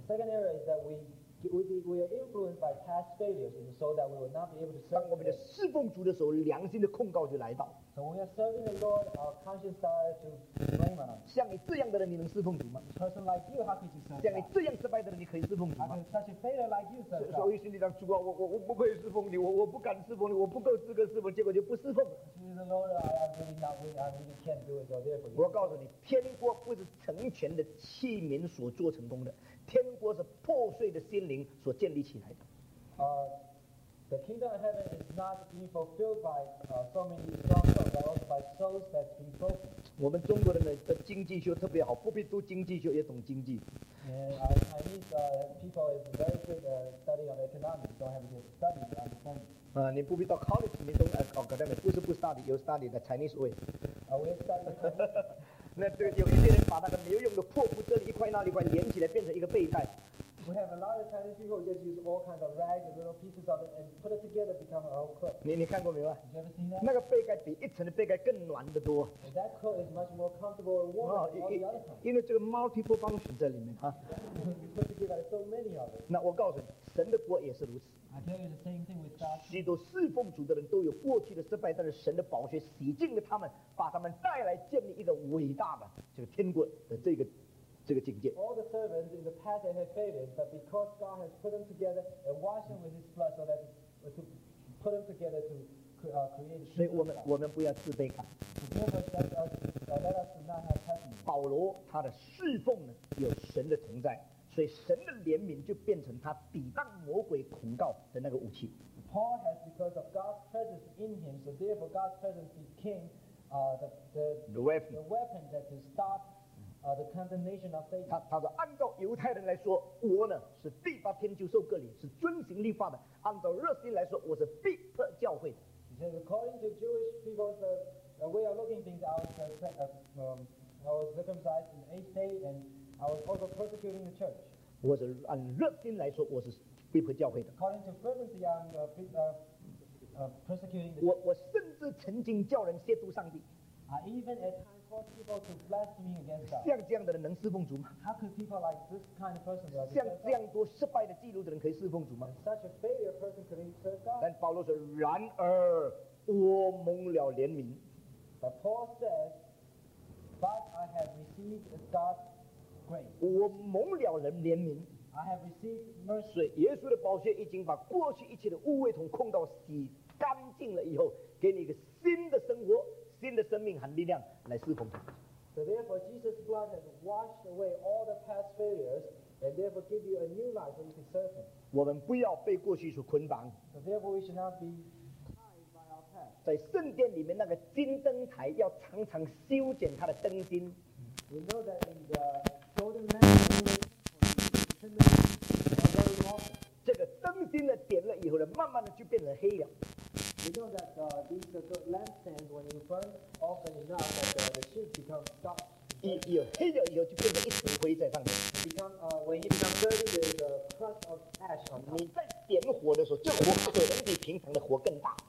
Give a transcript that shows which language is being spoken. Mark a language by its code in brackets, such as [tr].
[en] The second area is that we are influenced by past failures, and so that we will not be able to serve. [zh] 当我们的侍奉主的时候，良心的控告就来到。So [en] when we are serving the Lord, our conscience starts to blame us. [zh] 像你这样的人，你能侍奉主吗 [en] ？Person like you, how can you serve? [zh] 像你这样失败的人，你可以侍奉主吗 [en] ？Such a failure like you, sir. [zh] 所以心里想，主啊，我不配侍奉你，我不敢侍奉你，我不够资格侍奉，结果就不侍奉。So [en] the Lord, I really can't do it, so therefore. [zh] 我告诉你，天国不是成全的器皿所做成功的。天国是破碎的心灵所建立起来的。 [en] The kingdom of heaven is not being fulfilled by so many strong souls, but also by souls that have been broken. [zh] 我们中国人的经济学特别好，不必读经济学也懂经济。 [en] And our Chinese people is very good at study of economics. Don't have to study to understand. [zh] 你不必到 college 里面读 academics， 不是不 study， 有 study 的 [en] Chinese way。 We study. [zh] 那对，有一些人把那个没有用的破布这里一块那里一块连起来，变成一个背带。 [en] We have a lot of Chinese people just use all kinds of rags and little pieces of it and put it together to become our coat. [zh] 你看过没有啊 [en] ？Have you ever seen that? [zh] 那个背盖比一层的背盖更暖得多。 [en] And that coat is much more comfortable and warm than all the other kinds. [zh] 因为这个 [en] multiple function [zh] 在里面啊。 [en] Because we put together so many of it. [zh] 那我告诉你。神的国也是如此。 [en] I tell you the same thing with God. [zh] 许多侍奉主的人都有过去的失败，但是神的宝血洗净了他们，把他们带来建立一个伟大的这个天国的这个境界。 [en] All the servants in the past they have failed, but because God has put them together and washed them with His blood, so that to put them together to create. [zh] 所以我们不要自卑感。 [en] Let us not have pessimism. [zh] 保罗他的侍奉呢，有神的同在。所以神的怜悯就变成他抵挡魔鬼控告的那个武器。 [en] Paul has because of God's presence in him, so therefore God's presence became the weapon that to stop the condemnation of faith. [zh] 他说，按照犹太人来说，我呢是第八天就受割礼，是遵行律法的；按照热心来说，我是逼迫教会的。 [en] He says, according to Jewish people's way of looking things, I was circumcised in the eighth day and. I was also persecuting the church. [zh] 我是按热心来说，我是逼迫教会的。 [en] According to fervency, I'm persecuting. [zh] 我甚至曾经叫人亵渎上帝。 [en] I even at times caused people to blaspheme against God. [zh] 像这样的人能侍奉主吗 [en] ？How could people like this kind of person? [zh] 像这样多失败的记录的人可以侍奉主吗 [en] ？Such a failure person could serve God. [zh] 但保罗说，然而我蒙了怜悯。 [en] But Paul says, but I have received God's Great. [zh] 我蒙了人怜悯 [en] I have received mercy. [zh] 所以耶稣的宝血已经把过去一切的污秽同控告洗干净了以后给你一个新的生活新的生命和力量来侍奉他 [en] So therefore Jesus' blood has washed away all the past failures and therefore give you a new life that you can serve him [zh] 我们不要被过去所捆绑 [en] So therefore we should not be tied by our past [zh] 在圣殿里面那个金灯台要常常修剪它的灯芯 [en] We know that in the Golden lamp, or golden lamp, or golden lamp. [zh] 这个灯芯呢点了以后呢，慢慢的就变成黑了。 [en] You know that these lampstands, when you burn often enough, that the sheet becomes dark. [zh] 有黑了以后就变成一层灰在上面。 [en] When it becomes dirty, there's a crust of ash on top. [zh] 你在点火的时候，这火可能比平常的火更大。